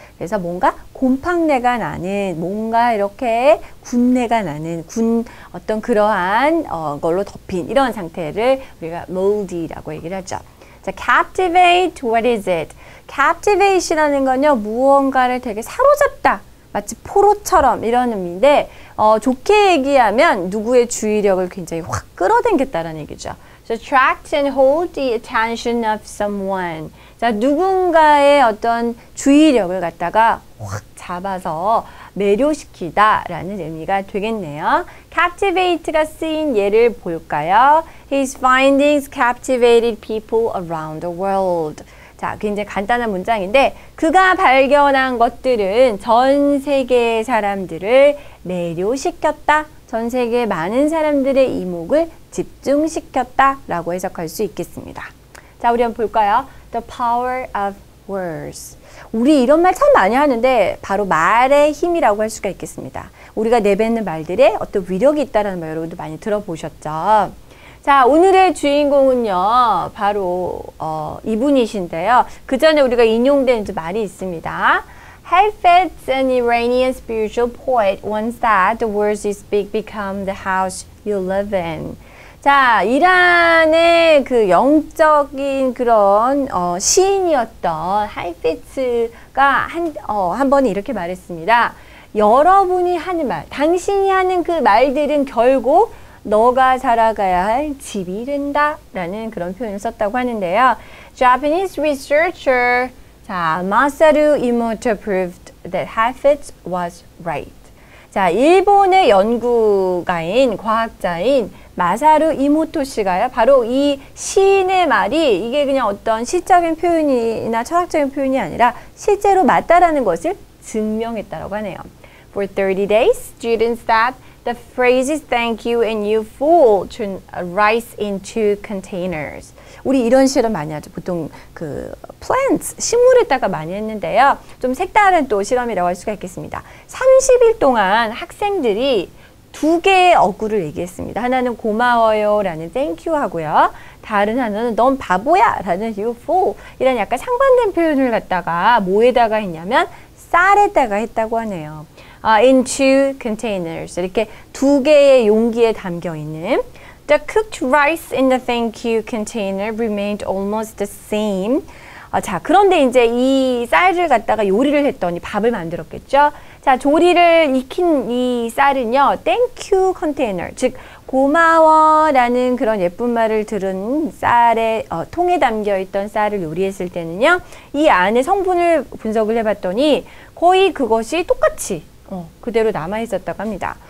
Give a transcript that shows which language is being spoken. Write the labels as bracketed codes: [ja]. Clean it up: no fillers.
[ko] 그래서 뭔가 곰팡내가 나는, 뭔가 이렇게 군내가 나는, 어떤 그러한 걸로 덮인 이런 상태를 우리가 moldy라고 얘기를 하죠. 자, captivate, [en] what is it? [ko] Captivation이라는 건요, 무언가를 되게 사로잡다. 마치 포로처럼 이런 의미인데 좋게 얘기하면 누구의 주의력을 굉장히 확 끌어당겼다는 얘기죠. [en] So attract and hold the attention of someone. [ko] 자, 누군가의 어떤 주의력을 갖다가 확 잡아서 매료시키다라는 의미가 되겠네요. Captivate가 쓰인 예를 볼까요? [en] His findings captivated people around the world. [ko] 자, 굉장히 간단한 문장인데 그가 발견한 것들은 전 세계의 사람들을 매료시켰다. 전 세계 많은 사람들의 이목을 집중시켰다 라고 해석할 수 있겠습니다. 자, 우리 한번 볼까요? [en] The power of words. [ko] 우리 이런 말 참 많이 하는데 바로 말의 힘이라고 할 수가 있겠습니다. 우리가 내뱉는 말들의 어떤 위력이 있다는 말 여러분도 많이 들어보셨죠? 자, 오늘의 주인공은요, 바로 이분이신데요. 그 전에 우리가 인용된 말이 있습니다. [en] Hafez, an Iranian spiritual poet, once said, "The words you speak become the house you live in." [ko] 자, 이란의 그 영적인 그런 시인이었던 Hafez가 한 번 이렇게 말했습니다. 여러분이 하는 말, 당신이 하는 그 말들은 결국 너가 살아가야 할 집이 된다 라는 그런 표현을 썼다고 하는데요. [en] Japanese researcher 마사루 이모토 proved that Hafez was right. [ko] 자, 일본의 연구가인 과학자인 마사루 이모토 씨가요, 바로 이 시인의 말이 이게 그냥 어떤 시적인 표현이나 철학적인 표현이 아니라 실제로 맞다라는 것을 증명했다라고 하네요. [en] For 30 days, students that The phrases thank you and you fool turn rice into containers. [ko] 우리 이런 실험 많이 하죠. 보통 그 plants, 식물에다가 많이 했는데요. 좀 색다른 또 실험이라고 할 수가 있겠습니다. 30일 동안 학생들이 두 개의 어구를 얘기했습니다. 하나는 고마워요 라는 thank you 하고요. 다른 하나는 넌 바보야 라는 you fool 이런 약간 상반된 표현을 갖다가 뭐에다가 했냐면 쌀에다가 했다고 하네요. [en] In two containers. [ko] 이렇게 두 개의 용기에 담겨 있는. [en] The cooked rice in the thank you container remained almost the same. [ko] 자, 그런데 이제 이 쌀을 갖다가 요리를 했더니 밥을 만들었겠죠? 자, 조리를 익힌 이 쌀은요, thank you container. 즉, 고마워라는 그런 예쁜 말을 들은 쌀에, 통에 담겨 있던 쌀을 요리했을 때는요, 이 안에 성분을 분석을 해봤더니 거의 그것이 똑같이 그대로 남아 있었다고 합니다.